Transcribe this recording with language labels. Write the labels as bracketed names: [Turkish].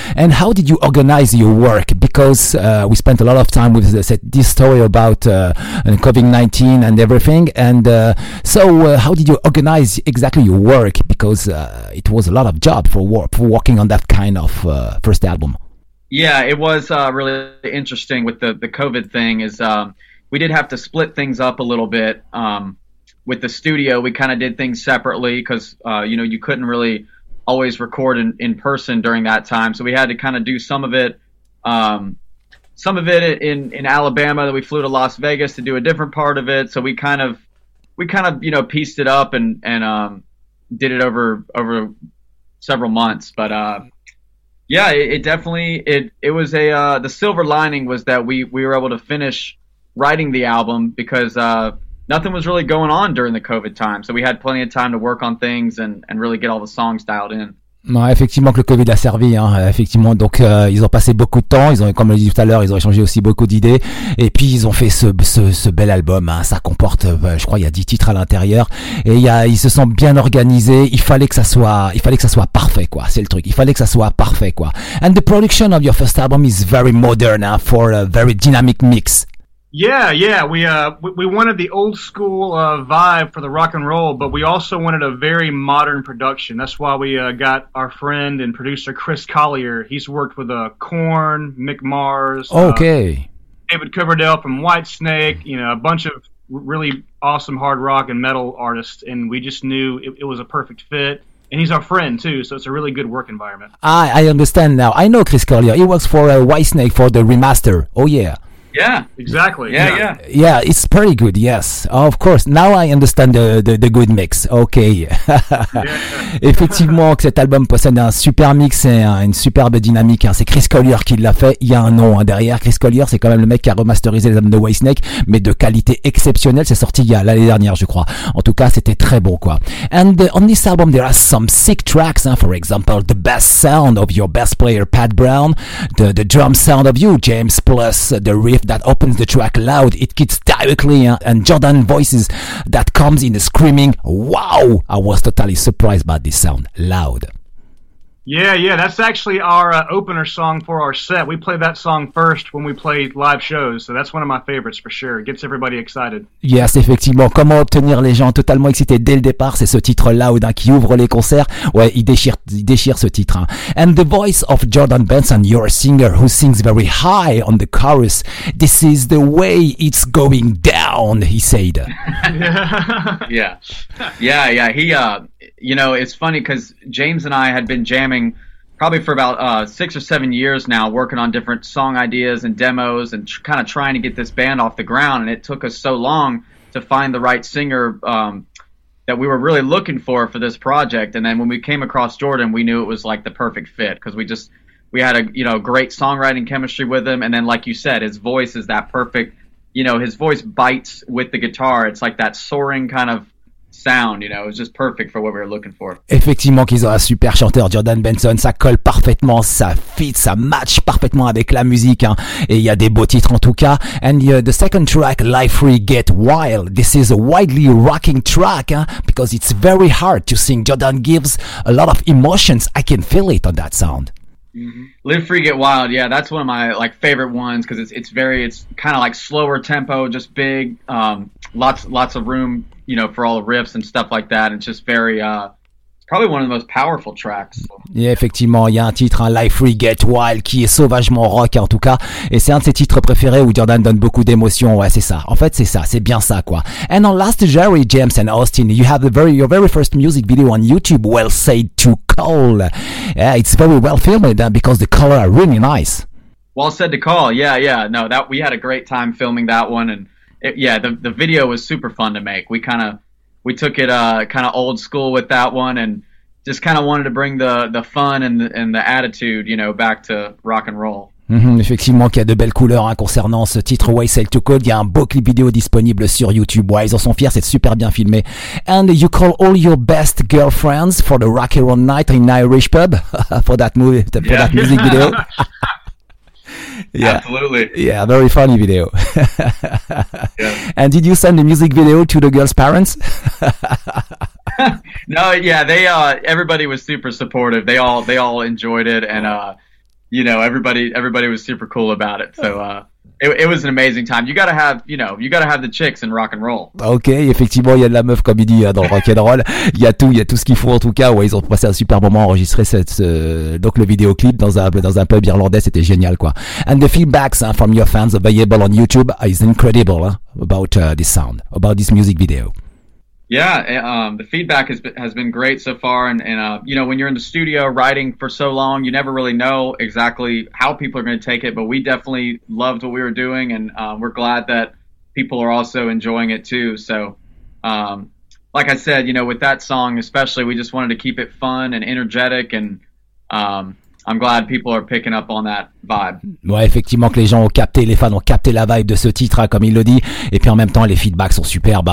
[English] And how did you organize your work? Because we spent a lot of time with this story about COVID-19 and everything, and so how did you organize exactly your work? Because it was a lot of job for working on that kind of first album. Yeah, it was really interesting with the COVID thing is we did have to split things up a little bit. With the studio, we kind of did things separately because, you know, you couldn't really always record in person during that time. So we had to kind of do some of it in Alabama, that we flew to Las Vegas to do a different part of it. So we kind of, you know, pieced it up and did it over several months. But yeah, it definitely was the silver lining was that we were able to finish writing the album because nothing was really going on during the COVID time. So we had plenty of time to work on things and really get all the songs dialed in. [French] Ouais, effectivement que le Covid a servi hein, effectivement donc ils ont passé beaucoup de temps, ils ont, comme je l'ai dit tout à l'heure, ils ont échangé aussi beaucoup d'idées et puis ils ont fait ce bel album hein. Ça comporte je crois il y a 10 titres à l'intérieur et ils se sont bien organisés, il fallait que ça soit parfait quoi, c'est le truc, il fallait que ça soit parfait quoi. [English] And the production of your first album is very modern hein, for a very dynamic mix. Yeah, we wanted the old school vibe for the rock and roll, but we also wanted a very modern production. That's why we got our friend and producer Chris Collier. He's worked with Korn, Mick Mars, okay, David Coverdale from Whitesnake, you know, a bunch of really awesome hard rock and metal artists, and we just knew it was a perfect fit. And he's our friend too, so it's a really good work environment. I understand now. I know Chris Collier. He works for Whitesnake for the remaster. Oh yeah. Yeah, exactly. Yeah. Yeah, it's pretty good, yes. Of course, now I understand the good mix. Okay. [French] Effectivement, que cet album possède un super mix et une superbe dynamique. Hein. C'est Chris Collier qui l'a fait. Il y a un nom hein, derrière. Chris Collier, c'est quand même le mec qui a remasterisé les albums de Whitesnake, mais de qualité exceptionnelle. C'est sorti l'année dernière, je crois. En tout cas, c'était très beau, quoi. [English] And on this album, there are some sick tracks. Hein. For example, the best sound of your best player, Pat Brown. The drum sound of you, James, plus the real that opens the track loud, it gets directly hein? And Jordan voices that comes in screaming, wow, I was totally surprised by this sound, loud. Yeah, yeah, that's actually our opener song for our set. We play that song first when we play live shows, so that's one of my favorites for sure. It gets everybody excited. Yes, [French] effectivement. Comment obtenir les gens totalement excités dès le départ? C'est ce titre Loud qui ouvre les concerts. Ouais, il déchire ce titre. [English] And the voice of Jordan Benson, your singer who sings very high on the chorus. This is the way it's going down, he said. Yeah. You know, it's funny because James and I had been jamming probably for about 6 or 7 years now, working on different song ideas and demos and kind of trying to get this band off the ground. And it took us so long to find the right singer that we were really looking for this project. And then when we came across Jordan, we knew it was like the perfect fit because we had a, you know, great songwriting chemistry with him. And then, like you said, his voice is that perfect, you know, his voice bites with the guitar. It's like that soaring kind of sound, you know, it was just perfect for what we were looking for. [French] Effectivement qu'ils ont un super chanteur, Jordan Benson, ça colle parfaitement, ça fit, ça match parfaitement avec la musique, hein. Et il y a des beaux titres en tout cas. [English] And the second track, Life Free Get Wild, this is a widely rocking track, hein, because it's very hard to sing. Jordan gives a lot of emotions, I can feel it on that sound. Mm-hmm. Live Free Get Wild, yeah, that's one of my like favorite ones because it's kind of like slower tempo, just big, lots of room, you know, for all the riffs and stuff like that. It's just very, probably one of the most powerful tracks. [French] Yeah, effectivement, il y a un titre, hein, Life Free Get Wild, qui est sauvagement rock en tout cas. Et c'est un de ses titres préférés où Jordan donne beaucoup d'émotions. Ouais, c'est ça. En fait, c'est ça. C'est bien ça, quoi. [English] And on last, Jerry, James and Austin, you have your very first music video on YouTube, Well Said to Call. Yeah, it's very well filmed because the colors are really nice. Well Said to Call, yeah. No, that we had a great time filming that one. And the video was super fun to make. We took it kind of old school with that one and just kind of wanted to bring the fun and the attitude, you know, back to rock and roll. [French] Mm-hmm, effectivement qu'il y a de belles couleurs, hein, concernant ce titre Way Sail to Code. Il y a un beau clip vidéo disponible sur YouTube. Ouais, ils en sont fiers, c'est super bien filmé. [English] And you call all your best girlfriends for the Rock and Roll Night in Irish Pub for that movie, that music video. Yeah. Absolutely. Yeah, very funny video. Yeah. And did you send the music video to the girls' parents? No, yeah, they everybody was super supportive. They all enjoyed it and you know, everybody was super cool about it. So it was an amazing time. You got to have the chicks in rock and roll. [French] Okay, effectivement, il y a de la meuf comme il dit dans le rock and roll. Il y a tout ce qu'il faut en tout cas. Ouais, ils ont passé un super moment à enregistrer le vidéoclip dans un pub irlandais, c'était génial quoi. [English] And the feedbacks from your fans available on YouTube is incredible, about this sound, about this music video. Yeah, the feedback has been great so far and you know, when you're in the studio writing for so long, you never really know exactly how people are going to take it, but we definitely loved what we were doing and we're glad that people are also enjoying it too. So, like I said, you know, with that song especially, we just wanted to keep it fun and energetic and I'm glad people are picking up on that vibe. [French] Ouais, effectivement que les fans ont capté la vibe de ce titre, hein, comme il le dit. Et puis en même temps, les feedbacks sont super.